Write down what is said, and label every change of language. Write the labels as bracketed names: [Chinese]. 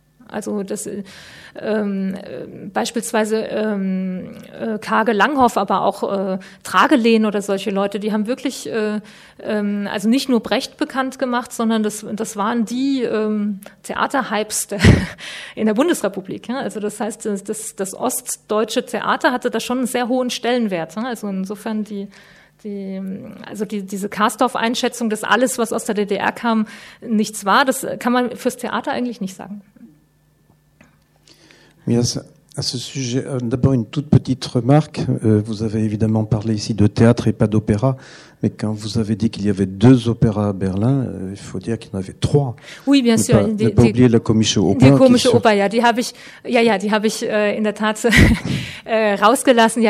[German] Also das beispielsweise Karge Langhoff, aber auch Tragelehn oder solche Leute, die haben wirklich also nicht nur Brecht bekannt gemacht, sondern das waren die Theaterhypes in der Bundesrepublik. Ja? Also das heißt, das ostdeutsche Theater hatte da schon einen sehr hohen Stellenwert. Ne? Also insofern diese Castorf-Einschätzung, dass alles, was aus der DDR kam, nichts war, das kann man fürs Theater eigentlich nicht sagen. [French] Oui, à ce sujet, d'abord une toute petite remarque. Vous avez évidemment parlé ici de théâtre et pas d'opéra, mais quand vous avez dit qu'il y avait deux opéras à Berlin, il faut dire qu'il y en avait trois. Oui, bien sûr. Ne pas oublier la Komische Oper. [German] Die Komische Oper, die habe ich in der Tat rausgelassen.